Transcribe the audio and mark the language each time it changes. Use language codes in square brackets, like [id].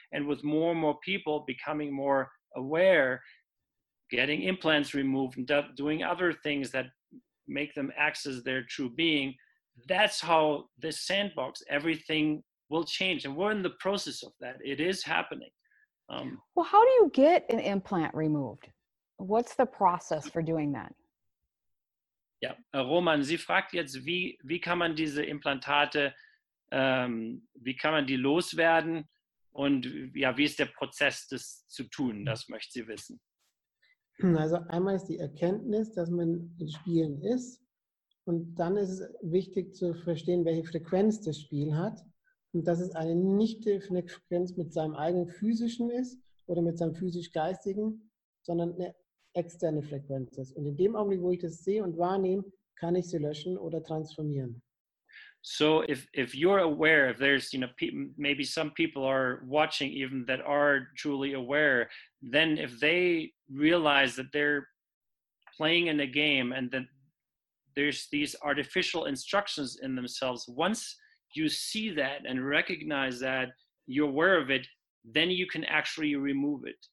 [en] And with more and more people becoming more aware, getting implants removed and doing other things that make them access their true being, that's how this sandbox, everything will change. And we're in the process of that. It is happening. Well, how do you get an implant removed? What's the process for doing that? [de] Ja, Roman, sie fragt jetzt, wie kann man diese Implantate, wie kann man die loswerden, und ja, wie ist der Prozess, das zu tun? Das möchte sie wissen. Also einmal ist die Erkenntnis, dass man in Spielen ist, und dann ist es wichtig zu verstehen, welche Frequenz das Spiel hat und dass es eine Nicht-Frequenz mit seinem eigenen physischen ist oder mit seinem physisch-geistigen, sondern eine externe Frequenzen. Und in dem Augenblick, wo ich das sehe und wahrnehme, kann ich sie löschen oder transformieren. [en] So if you're aware, if there's, you know, maybe some people are watching even that are truly aware, then if they realize that they're playing in a game and that there's these artificial instructions in themselves, once you see that and recognize that, you're aware of it, then you can actually remove it.